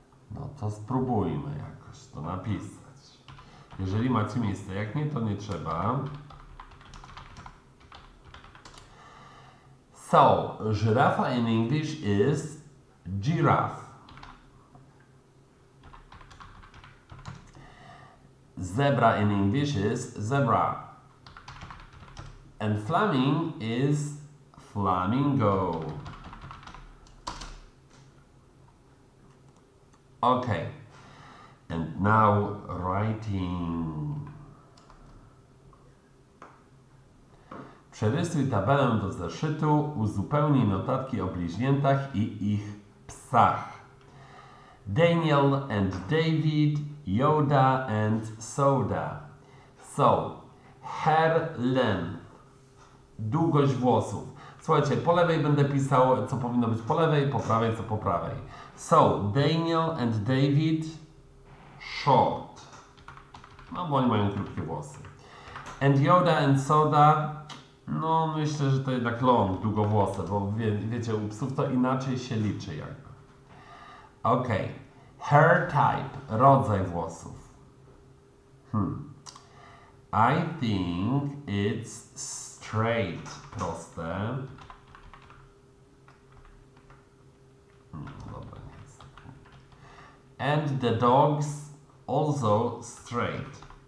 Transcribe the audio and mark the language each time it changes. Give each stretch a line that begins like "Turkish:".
Polish: No to spróbujmy jakoś to napisać. Jeżeli macie miejsce, jak nie, to nie trzeba.
English: So,
Polish: żyrafa
English: in English is giraffe. Zebra in English is zebra. And flaming is flamingo. Okay. And now writing.
Polish: Przerysuj tabelę do zeszytu. Uzupełnij notatki o bliźniętach i ich psach.
English: Daniel and David, Yoda and Soda. So, hair length.
Polish: Długość włosów. Słuchajcie, po lewej będę pisał, co powinno być po lewej, po prawej, co po prawej.
English: So, Daniel and David, short.
Polish: No, bo oni mają krótkie włosy.
English: And Yoda and Soda,
Polish: no, myślę, że to jednak long, długowłosy, bo wiecie, u psów to inaczej się liczy jakby. Ok.
English: Hair type,
Polish: rodzaj włosów.
English: I think it's straight, proste. And the dogs also straight.